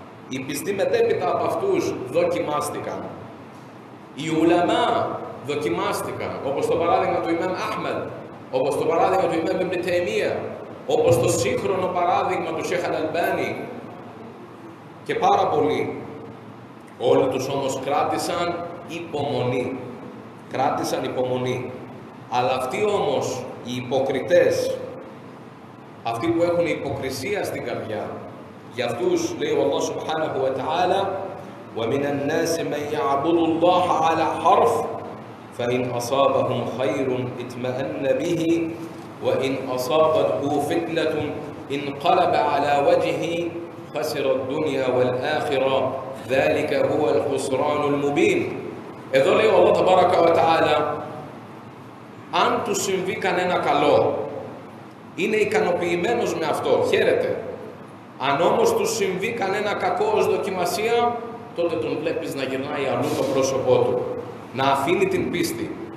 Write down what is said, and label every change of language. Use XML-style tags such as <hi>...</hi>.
<el>Οι πιστοί μετέπειτα από αυτούς δοκιμάστηκαν. Οι ουλαμά δοκιμάστηκαν, όπως το παράδειγμα του Ιμάμ Αχμεδ, όπως το παράδειγμα του Ιμάμ Ιμνη Τεϊμία, όπως το σύγχρονο παράδειγμα του Σέχ Αλ-Αλμπάνι και πάρα πολλοί. Όλοι τους όμως κράτησαν υπομονή. Κράτησαν υπομονή. Αλλά αυτοί όμως, οι υποκριτές, αυτοί που έχουν υποκρισία στην καρδιά, για αυτούς λέει ο Αλλάχ Σουμπχάνεχου Ετ'άλα</el> <ar>وَمِنَ النَّاسِ مَنْ يَعْبُدُ اللَّهَ عَلَى حَرْفٍ فَإِنْ أَصَابَهُمْ خَيْرٌ اِتْمَأَنَّ بِهِ وَإِنْ أَصَابَتْهُ فِتْنَةٌ اِنْقَلَبَ عَلَى وَجْهِهِ خَسِرَ الدُّنْيَا وَالْآخِرَةَ ذَلِكَ هُوَ الْخُسْرَانُ الْمُبِينُ.</ar> <el>Εδώ λέει ο Αλλάχ Τεμπάρακα ο Τεάλα, αν του συμβεί κανένα καλό, είναι ικανοποιημένος με αυτό, χαίρεται. Αν όμως του συμβεί κανένα κακό ως δοκιμασία, τότε τον βλέπεις να γυρνάει αλλού το πρόσωπό του, να αφήνει την πίστη.</el>